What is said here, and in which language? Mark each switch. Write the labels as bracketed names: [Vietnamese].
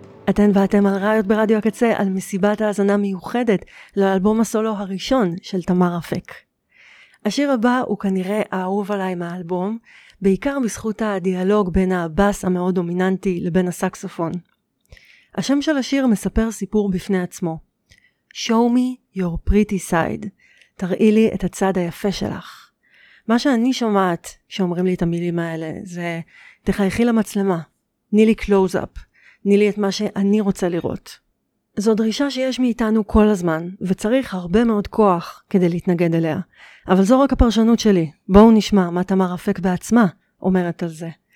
[Hebrew] אתן ואתם על ראיות ברדיו הקצה, על מסיבת האזנה מיוחדת לאלבום הסולו הראשון של תמר אפק. השיר הבא הוא כנראה האהוב עליי מהאלבום, בעיקר בזכות הדיאלוג בין הבאס המאוד דומיננטי לבין הסקסופון. השם של השיר מספר סיפור בפני עצמו. [English] Show me your pretty side. [Hebrew] תראי לי את הצד היפה שלך. מה שאני שומעת כשאומרים לי את המילים האלה זה תחייכי למצלמה, תני לי קלוז-אפ, תני לי את מה שאני רוצה לראות. זו דרישה שיש מאיתנו כל הזמן וצריך הרבה מאוד כוח כדי להתנגד אליה. אבל זו רק הפרשנות שלי. בואו נשמע מה תמר אפק בעצמה אומרת על זה.